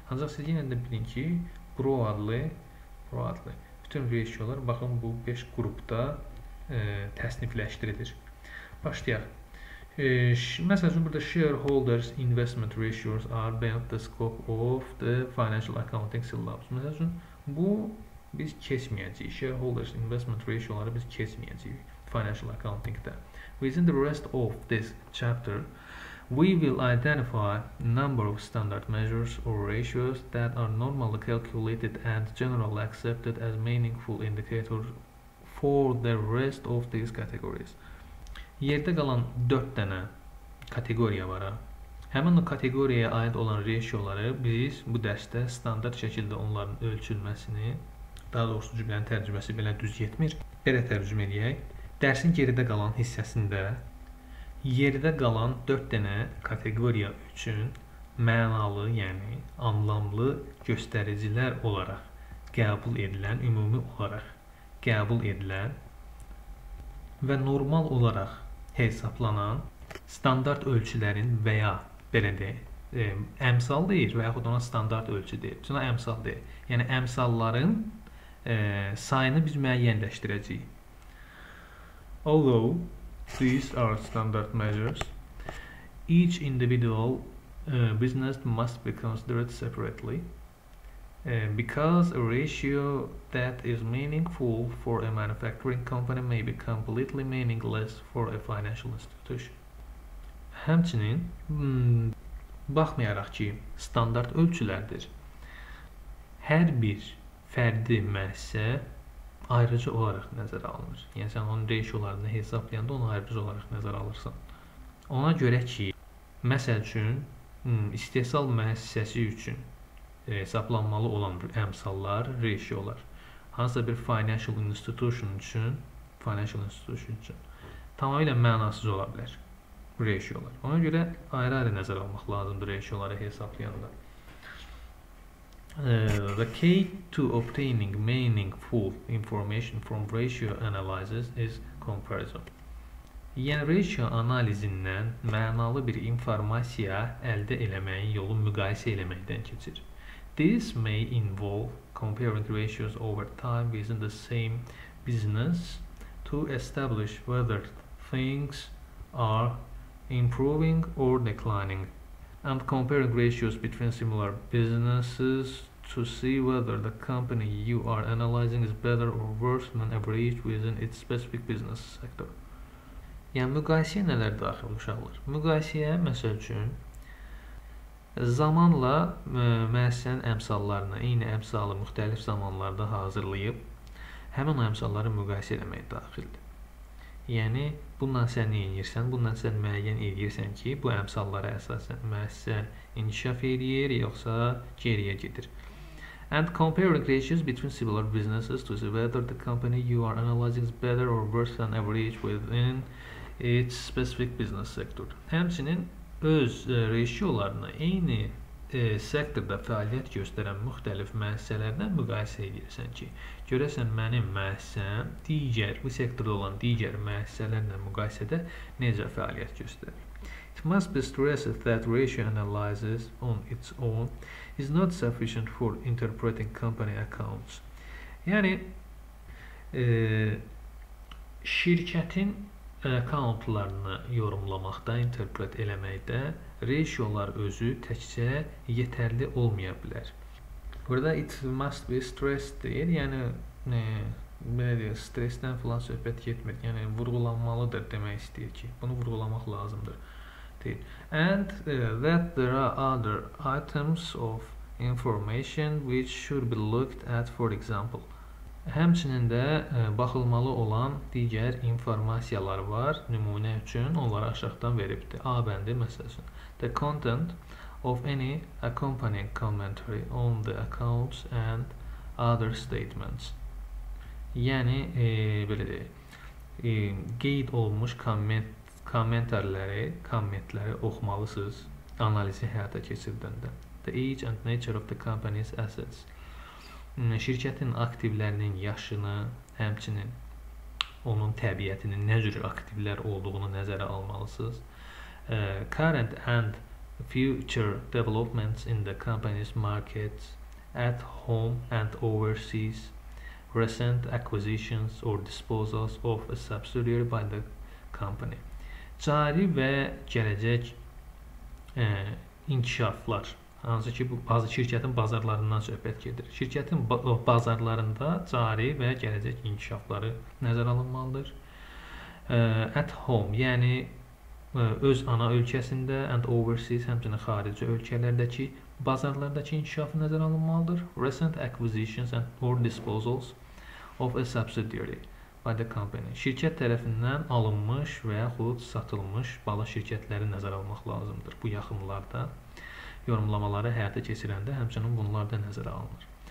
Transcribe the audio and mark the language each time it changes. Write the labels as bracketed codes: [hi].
[az] Ancaq siz yenə də bilin ki, bro adlı bütün reysiyalar, baxın, bu 5 qrupda təsnifləşdirilir. Başlayaq. Məsəl üçün burada [en] shareholders investment ratios are beyond the scope of the financial accounting syllabus. [az] Məsəl üçün bu biz keçməyəcəyik. [en] Shareholders investment ratios-ları [az] biz keçməyəcəyik financial accounting-də. [en] Within the rest of this chapter, we will identify number of standard measures or ratios that are normally calculated and generally accepted as meaningful indicators for the rest of these categories. [az] Yerdə qalan 4 dənə kateqoriya var. Həmin o kateqoriyaya aid olan reysiyaları biz bu dərsdə standart şəkildə onların ölçülməsini, daha doğrusu cümlənin tərcüməsi belə düz yetmir, belə tərcümə edək. Dərsin geridə qalan hissəsində yerdə qalan 4 dənə kateqoriya üçün mənalı, yəni anlamlı göstəricilər olaraq qəbul edilən, ümumi olaraq qəbul edilən və normal olaraq hesablanan standart ölçülərin və ya belə deyək, əmsal deyir və yaxud ona standart ölçü deyir. Buna əmsal deyir. Yəni əmsalların sayını biz müəyyənləşdirəcəyik. [en] Although these are standard measures, each individual business must be considered separately because a ratio that is meaningful for a manufacturing company may be completely meaningless for a financial institution. [az] Həmçinin, baxmayaraq ki, standart ölçülərdir, hər bir fərdi müəssisə ayrıca olaraq nəzərə alınır. Yəni, sən onun reysiyalarını hesablayanda onu ayrıca olaraq nəzərə alırsan. Ona görə ki, məsəl üçün, istehsal müəssisəsi üçün hesablanmalı olan əmsallar, reysiyalar, hansısa bir financial institution üçün, tamamilə mənasız ola bilər reysiyalar. Ona görə ayrı-ayrı nəzərə almaq lazımdır reysiyaları hesablayanda. [en] The key to obtaining meaningful information from ratio analysis is comparison. [az] Yəni, ratio analizindən mənalı bir informasiya əldə eləməyin yolu müqayisə eləməkdən keçir. [en] This may involve comparing ratios over time within the same business to establish whether things are improving or declining, and comparing ratios between similar businesses to see whether the company you are analyzing is better or worse than average within its specific business sector. [az] Yəni, müqayisə nələr daxil uşaqlar? Müqayisəyə, məsəl üçün, zamanla müəssisənin əmsallarını, eyni əmsalı müxtəlif zamanlarda hazırlayıb, həmin əmsalları müqayisə eləmək daxildir. Yəni, bundan sən nə edirsən? Bundan sən müəyyən edirsən ki, bu əmsallara əsasən müəssisə inkişaf edir, yoxsa geriyə gedir. [en] And comparing ratios between similar businesses to see whether the company you are analyzing is better or worse than average within its specific business sector. [az] Həmçinin öz reysiyalarını eyni sektorda fəaliyyət göstərən müxtəlif müəssisələrlə müqayisə edirsən ki, görəsən mənim müəssisəm digər, bu sektorda olan digər müəssisələrlə müqayisədə necə fəaliyyət göstərir. [en] It must be stressed that ratio analysis on its own is not sufficient for interpreting company accounts. [az] Yəni, şirkətin accountlarını yorumlamaqda, interpret eləməkdə ratiolar özü təkcə yetərli olmaya bilər. Burada [en] it must be stressed [az] deyir, yəni belə deyir, stressdən filan söhbət getmir, yəni vurğulanmalıdır demək istəyir ki, bunu vurğulamaq lazımdır. [en] And that there are other items of information which should be looked at, for example. [az] Həmçinin də baxılmalı olan digər informasiyalar var, nümunə üçün onları aşağıdan veribdir. A bəndi məsələn. [en] The content of any accompanying commentary on the accounts and other statements. [az] Yani böyle de qeyd olmuş kommentləri oxumalısınız analizi həyata keçirdikdə. [en] The age and nature of the company's assets. [az] Şirkətin aktivlərinin yaşını, həmçinin onun təbiətinin nə cür aktivlər olduğunu nəzərə almalısınız. [en] Current and future developments in the company's markets at home and overseas, recent acquisitions or disposals of a subsidiary by the company. [az] Cari və gələcək inkişaflar, hansı ki bu şirkətin bazarlarından söhbət gedir. Şirkətin bazarlarında cari və gələcək inkişafları nəzərə alınmalıdır. [en] At home, [az] yəni öz ana ölkəsində [en] and overseas, [az] həmçinin xarici ölkələrdəki bazarlardakı inkişafı nəzərə alınmalıdır. [en] Recent acquisitions and or disposals of a subsidiary by the company. [az] Şirkət tərəfindən alınmış və yaxud satılmış bala şirkətləri nəzərə almaq lazımdır. Bu yaxınlarda yorumlamaları həyata keçirəndə həmçinin bunlar da nəzərə alınır.